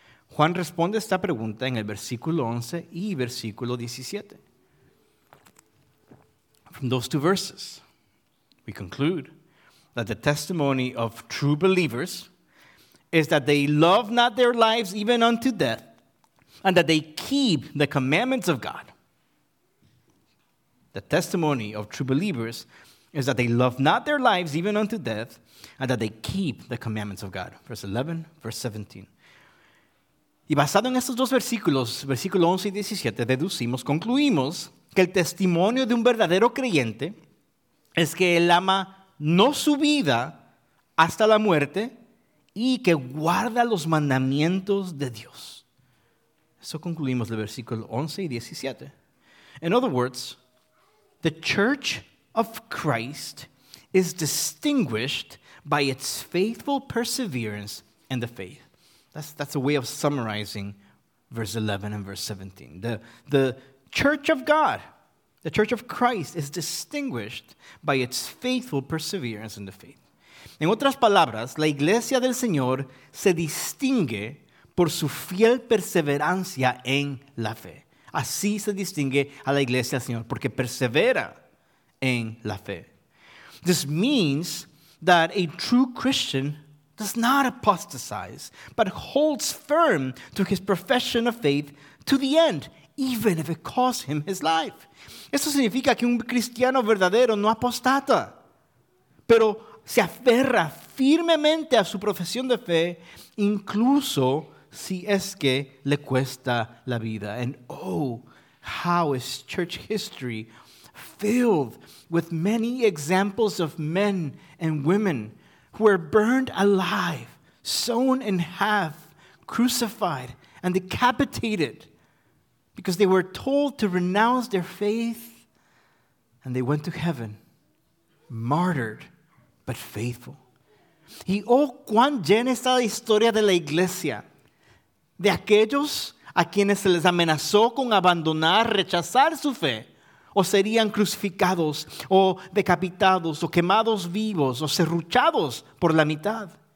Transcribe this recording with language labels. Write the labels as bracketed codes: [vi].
[es] Juan responde esta pregunta en el versículo 11 y versículo 17. [en] From those two verses, we conclude that the testimony of true believers is that they love not their lives even unto death, and that they keep the commandments of God. The testimony of true believers is that they love not their lives even unto death, and that they keep the commandments of God. Verse 11, verse 17. [es] Y basado en estos dos versículos, versículo 11 y 17, deducimos, concluimos que el testimonio de un verdadero creyente es que él ama no su vida hasta la muerte y que guarda los mandamientos de Dios. Eso concluimos del versículo 11 y 17. [en] In other words, the Church of Christ is distinguished by its faithful perseverance in the faith. That's a way of summarizing verse 11 and verse 17. The Church of God, the Church of Christ, is distinguished by its faithful perseverance in the faith. [es] En otras palabras, la Iglesia del Señor se distingue por su fiel perseverancia en la fe. Así se distingue a la Iglesia del Señor, porque persevera en la fe. [en] This means that a true Christian does not apostatize, but holds firm to his profession of faith to the end, even if it costs him his life. [es] Esto significa que un cristiano verdadero no apostata, pero se aferra firmemente a su profesión de fe, incluso si es que le cuesta la vida. [en] And oh, how is church history filled with many examples of men and women who were burned alive, sewn in half, crucified, and decapitated because they were told to renounce their faith and they went to heaven, martyred but faithful. [es] Y oh, cuán llena está la historia de la iglesia de aquellos a quienes se les amenazó con abandonar, rechazar su fe, o serían crucificados, o decapitados, o quemados vivos, o serruchados por la mitad.